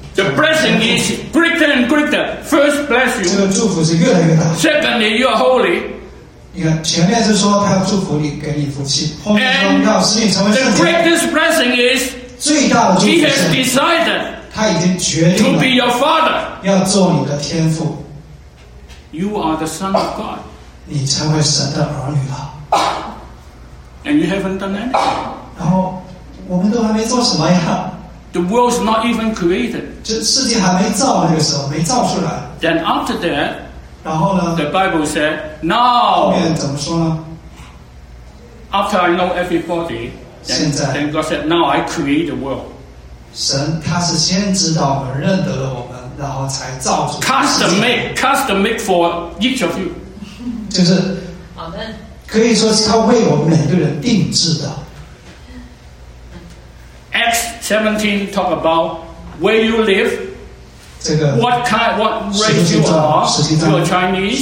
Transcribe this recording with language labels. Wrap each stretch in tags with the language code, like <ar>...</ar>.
<en>The blessing is greater and greater. First, bless you.</en> <zh>这个祝福是越来越大。</zh> <en>Secondly, you are holy.</en> <zh>你看前面是说他要祝福你, 给你福气, 后面说要使你成为圣洁。</zh> <en>The greatest blessing is</en> <zh>最大的祝福是,</zh> <en>he has decided</en> <zh>他已经决定了,</zh> <en>to be your father.</en> <zh>要做你的天父。</zh> <en>You are the son of God.</en> <zh>你成为神的儿女了。</zh> <en>And you haven't done anything.</en> <zh>然后, 我们都还没做什么呀?</zh> <en>The world's not even created.</en> <zh>这世界还没造,</zh> <en>then after that,</en> <zh>然后呢,</zh> <en>the Bible said, now,</en> <zh>后面怎么说呢?</zh> <en>After I know everybody, then God said, now I create the world.</en> <zh>神他是先知道我们认得了我们，然后才造出。</zh> <en>custom made for each of you.</en> <zh>就是,</zh> <en>Amen.</en> <zh>可以说是他为我们每个人定制的。</zh> <en>Acts 17 talk about where you live,</en> <zh>这个,</zh> <en>what kind, what race you are, you are Chinese,</en>